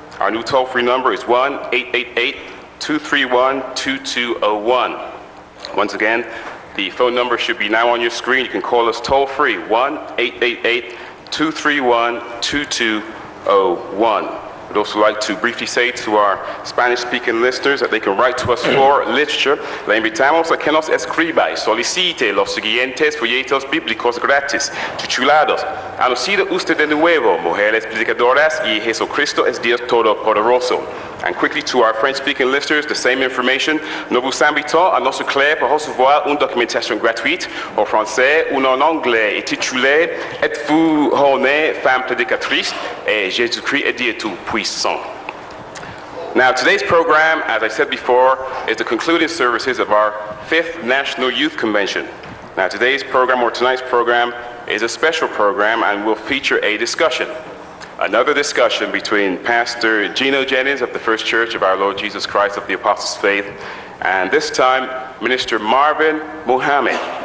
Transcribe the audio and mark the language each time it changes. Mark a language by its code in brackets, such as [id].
[en] Our new toll-free number is 1-888-231-2201. Once again, the phone number should be now on your screen. You can call us toll-free, 1-888-231-2201. We'd also like to briefly say to our Spanish-speaking listeners that they can write to us for literature. [es] Le invitamos a que nos escriba y solicite los siguientes folletos bíblicos gratis, titulados Ha nacido usted de nuevo, mujeres predicadoras y Jesucristo es Dios Todopoderoso. [en] And quickly to our French-speaking listeners, the same information. [fr] Nous vous invitons à nous écrire pour recevoir une documentation gratuite en français ou en anglais intitulée Êtes-vous honnée, femme prédicatrice, et Jésus-Christ est Dieu tout puissant. [en] Now, today's program, as I said before, is the concluding services of our 5th National Youth Convention. Now, today's program, or tonight's program, is a special program and will feature a discussion. Another discussion between Pastor Gino Jennings of the First Church of our Lord Jesus Christ of the Apostles' Faith, and this time, Minister Marvin Muhammad.